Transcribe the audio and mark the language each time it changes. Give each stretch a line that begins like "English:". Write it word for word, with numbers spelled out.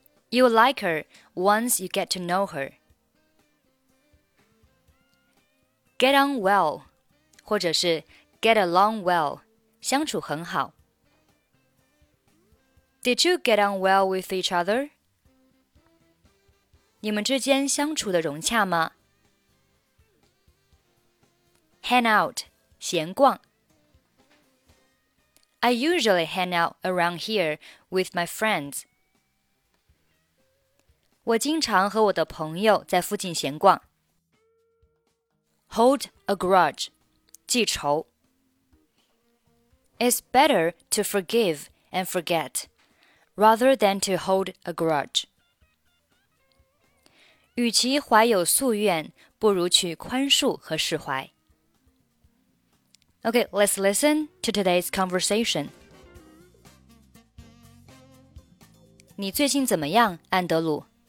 English: You'll like her once you get to know her. Get on well,
Chinese: 或者是
English: get along well, 相处很好。 Did you get on well with each other?
Chinese: 你们之间相处的融洽吗？
English: Hang out, 闲逛。 I usually hang out around here with my friends.
Chinese: 我经常和我的朋友在附近闲逛。
English: Hold a grudge, 记仇。 It's better to forgive and forget, rather than to hold a grudge.
Chinese: 与其怀有夙愿，不如去宽恕和释怀。
English: Okay, let's listen to today's conversation.
Chinese: 你最近怎么样，安德鲁?